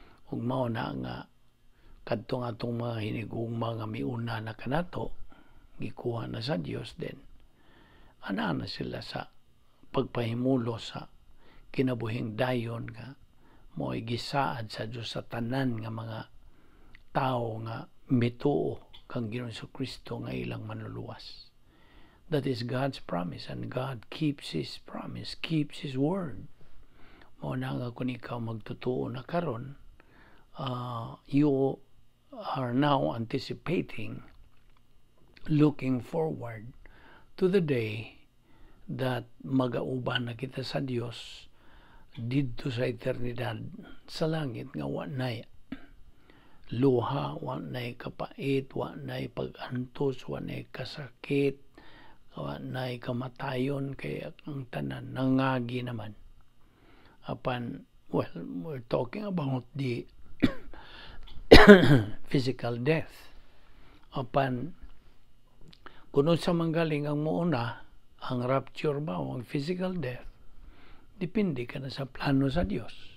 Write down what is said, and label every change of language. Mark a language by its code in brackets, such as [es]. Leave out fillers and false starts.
[ceb] Ug mao na nga kadtong atong mga hinigong mga miuna na kanato gikuha na sa Dios din. Ana na sila sa pagpahimulo sa kinabuhing dayon nga mo'y gisaad sa Dios sa tanan nga mga tao nga mituo kang Ginoong Hesukristo nga ilang manluluwas. [en] That is God's promise, and God keeps His promise, keeps His word. [ceb] Mao na nga kun ikaw magtutuo na karon, [en] you are now anticipating, looking forward to the day that [ceb] magauban na kita sa Dios dito sa eternidad sa langit nga wa nay luha, wa nay kapait, wa nay pag-antos, wa nay kasakit, na ikamatayon kaya ang tanan, nangagi naman. [en] Apan, well, we're talking about the physical death. [ceb] Apan, kuno sa manggaling ang muuna, ang rapture ba o ang physical death, dipindi ka na sa plano sa Dios.